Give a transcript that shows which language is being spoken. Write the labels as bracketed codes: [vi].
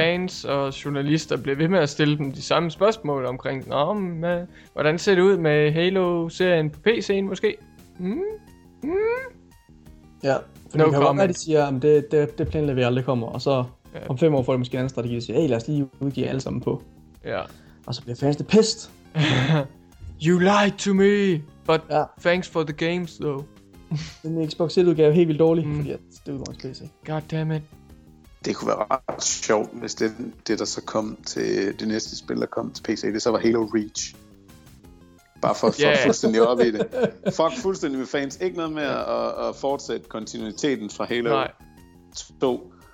[da] Fans og journalister bliver ved med at stille dem de samme spørgsmål omkring, hvordan ser det ud med Halo-serien på PC'en måske? Ja, for no, de kan jo være, at de siger, at det planlægger vi aldrig kommer, og så om 5 år får de måske en anden strategi, og siger, hey, lad os lige udgive alle sammen på. Ja. Og så bliver fans det pissed. [en] You lied to me. But ja, thanks for the games though. [da] Den Xbox 1 udgave er helt vildt dårlig, fordi at det er udgangs PC. [en] God damn it. [da] Det kunne være ret sjovt, hvis det der så kom til det næste spil, der kom til PC, det så var Halo Reach. Bare for at få fuldstændig op i det. Fuck fuldstændig med fans. Ikke noget med at fortsætte kontinuiteten fra Halo 2.